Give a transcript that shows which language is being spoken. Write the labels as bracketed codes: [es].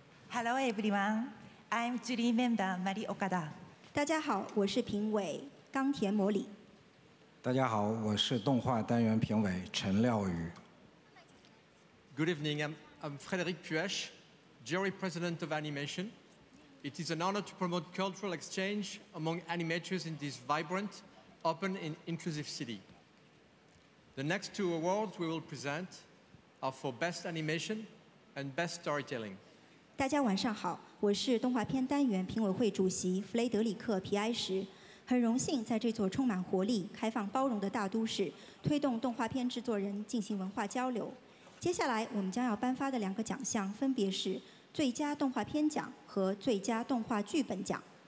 [en] Hello everyone, I'm jury member Mari Okada. [zh] 大家好，我是评委冈田摩里。大家好，我是动画单元评委陈廖宇。 [en] Good evening, I'm Frédéric Puech, jury president of animation. It is an honor to promote cultural exchange among animators in this vibrant, open and inclusive city. The next two awards we will present are for best animation and best storytelling. [zh] 大家晚上好，我是动画片单元评委会主席弗雷德里克·皮埃什，很荣幸在这座充满活力、开放包容的大都市推动动画片制作人进行文化交流。接下来我们将要颁发的两个奖项分别是最佳动画片奖和最佳动画剧本奖。